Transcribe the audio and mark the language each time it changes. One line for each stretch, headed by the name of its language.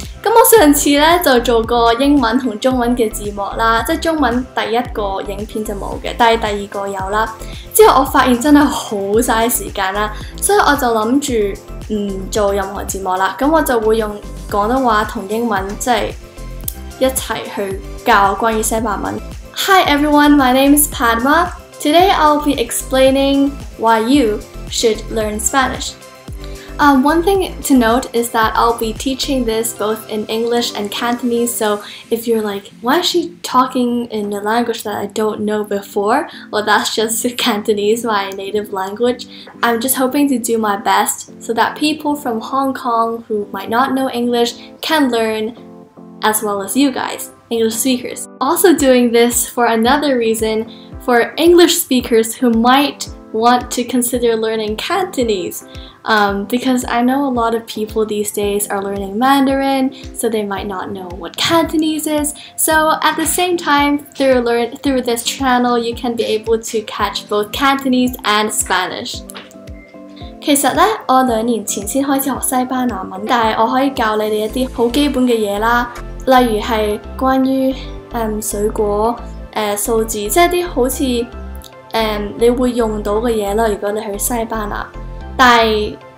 Cantonese: 咁我上次咧就做过英文同中文嘅字幕啦，即系中文第一个影片就冇嘅，但系第二个有啦。之后我发现真系好嘥时间啦，所以我就谂住唔做任何字幕啦。咁我就会用广东话同英文即系一齐去教关于西班牙文。
English: Hi everyone, my name is Padma. Today I'll be explaining why you should learn Spanish. One thing to note is that I'll be teaching this both in English and Cantonese, so if you're like, why is she talking in a language that I don't know before? Well, that's just Cantonese, my native language. I'm just hoping to do my best so that people from Hong Kong who might not know English can learn as well as you guys, English speakers. Also doing this for another reason, for English speakers who might want to consider learning Cantonese. Because I know a lot of people these days are learning Mandarin, so they might not know what Cantonese is. So at the same time, through this channel, you can be able to catch both Cantonese and Spanish.
Cantonese: 其實呢，我兩年前先開始學西班牙文，但係我可以教你哋一啲好基本嘅嘢啦，例如係關於水果數字，即係啲好似你會用到嘅嘢啦。如果你去西班牙。